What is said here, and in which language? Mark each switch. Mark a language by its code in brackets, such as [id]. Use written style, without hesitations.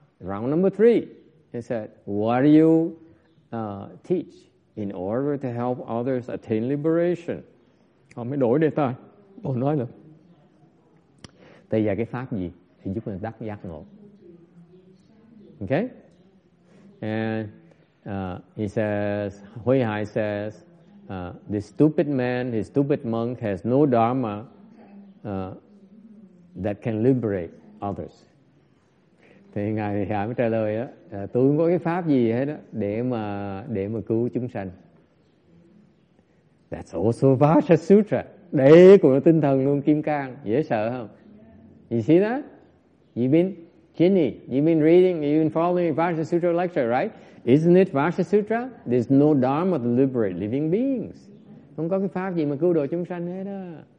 [en] Round number 3. He said, what do you teach in order to help others attain liberation? [vi] Họ mới đổi đề tài. Họ nói là, tại giờ cái pháp gì thì giúp người đắc giác ngộ. Okay? [en] And he says, Huy Hải says, this stupid man, this stupid monk has no dharma that can liberate others. [vi] Thì Ngài Huy Hải mới trả lời, tôi không có cái pháp gì hết đó để mà cứu chúng sanh. [en] That's also Vajra Sutra. [vi] Đấy cũng là tinh thần luôn, Kim Cang. Dễ sợ không? [en] You see that? You've been reading, you've been following Vajra Sutra lecture, right? Isn't it Vajra Sutra? There's no dharma to liberate living beings. [vi] Không có cái pháp gì mà cứu độ chúng sanh hết á.